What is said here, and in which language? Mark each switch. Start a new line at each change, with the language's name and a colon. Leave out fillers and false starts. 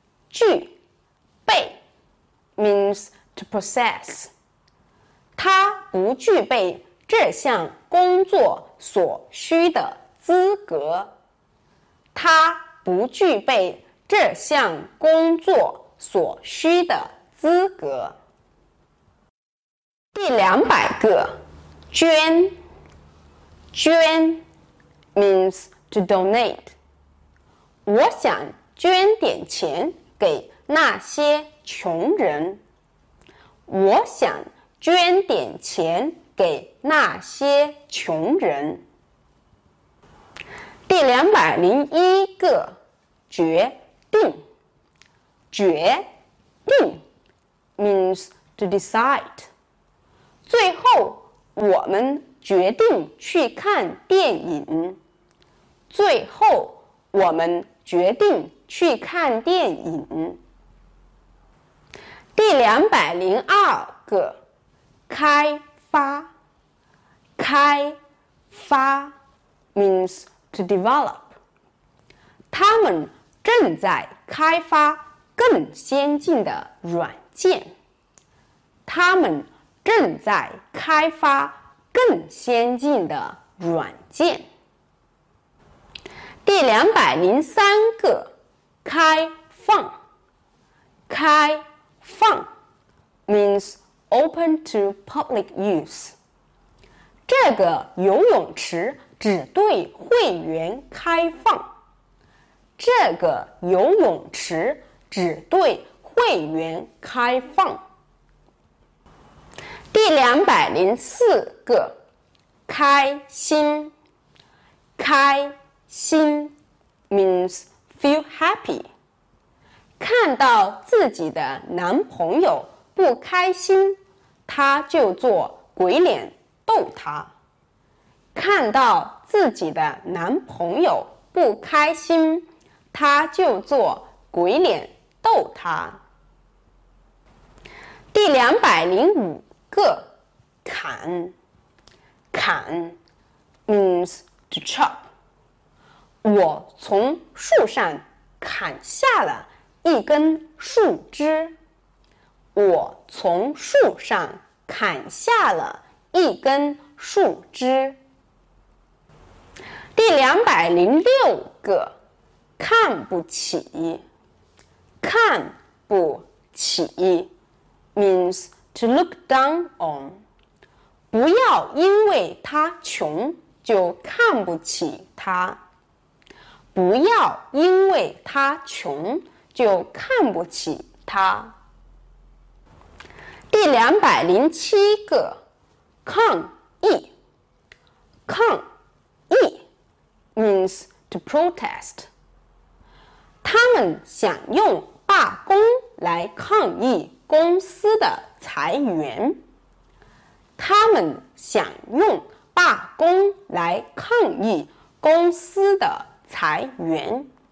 English: 具备 means to possess.
Chinese: 他不具备这项工作所需的资格。他不具备这项工作所需的资格。第200个，捐。捐
English: means to donate.
Chinese: 我想捐点钱给那些穷人。我想捐点钱给那些穷人。第201个，决定。
English: 决定 means to decide.
Chinese: 最后我们决定去看电影。最后我们决定去看电影。第202个，开发。
English: 开发 means to develop.
Chinese: 他们正在开发更先进的软件。他们正在开发更先进的软件。第203个，开放。
English: 开放 means open to public use.
Chinese: 这个游泳池只对会员开放。这个游泳池只对会员开放。第204个，开心。
English: 开心 means feel happy。
Chinese: 看到自己的男朋友不开心，他就做鬼脸逗他。看到自己的男朋友不开心，他就做鬼脸逗他。第205个，砍。
English: 砍 means to chop。
Chinese: 我从树上砍下了一根树枝。我从树上砍下了一根树枝。第206个，看不起。
English: 看不起 means to look down on。
Chinese: 不要因为他穷就看不起他。不要因为他穷就看不起他。第207个，抗议。
English: 抗议 means to protest。
Chinese: 他们想用罢工来抗议公司的裁员。他们想用罢工来抗议公司的裁员。